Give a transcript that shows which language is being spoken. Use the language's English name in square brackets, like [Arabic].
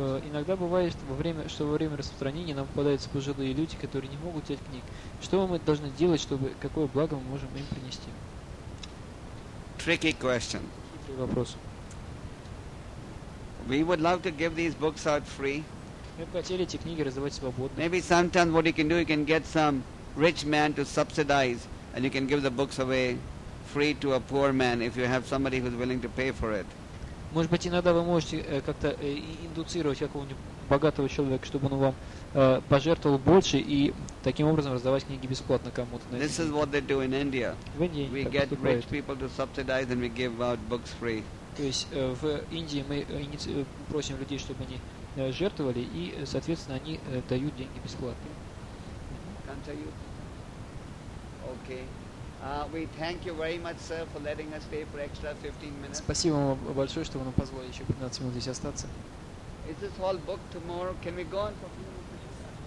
[Russian] Иногда бывает, что во время распространения нам попадаются пожилые люди, которые не могут взять книг. Что мы должны делать, чтобы какое благо мы можем им принести? [English] Tricky question. [Russian] Хитрый вопрос. [English] We would love to give these books out free. [Russian] Мы бы хотели эти книги раздавать свободно. [English] Maybe sometimes what you can get some rich man to subsidize, and you can give the books away free to a poor man if you have somebody who's willing to pay for it. [Russian] Может быть, иногда вы можете как-то индуцировать какого-нибудь богатого человека, чтобы он вам пожертвовал больше и таким образом раздавать книги бесплатно кому-то. [English] This is what they do in India. [Russian] В Индии [English] we get rich people to subsidize and we give out books free. [Russian] То есть в Индии мы просим людей, чтобы они жертвовали, и, соответственно, они дают деньги бесплатно. [English] Can't tell you? Okay. We thank you very much, sir, for letting us stay for extra 15 minutes. [Russian] Спасибо вам большое, что вы нам позволили еще 15 минут здесь остаться. [English] Is this hall booked tomorrow? Can we go on for a few minutes?